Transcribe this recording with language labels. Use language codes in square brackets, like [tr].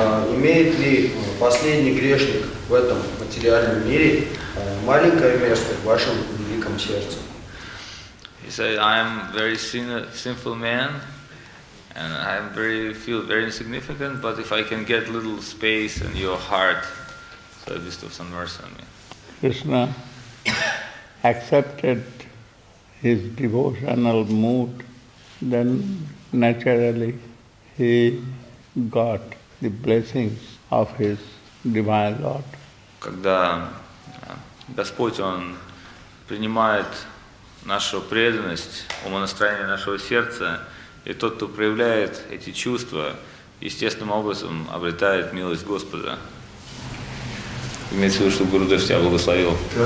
[ru] Имеет ли последний грешник в этом материальном мире маленькое место в вашем великом сердце? [en] He said, I am very sinful man. And I feel very insignificant, but if I can get little space in your heart, so bestow some mercy on me. Krishna accepted his devotional mood, then naturally he got the blessings of his divine Lord. [ru] Когда Господь он принимает нашу преданность, умонастроение нашего сердца. И тот, кто проявляет эти чувства, естественным образом обретает милость Господа. Имеется в виду, чтобы Гуру Дев тебя благословил.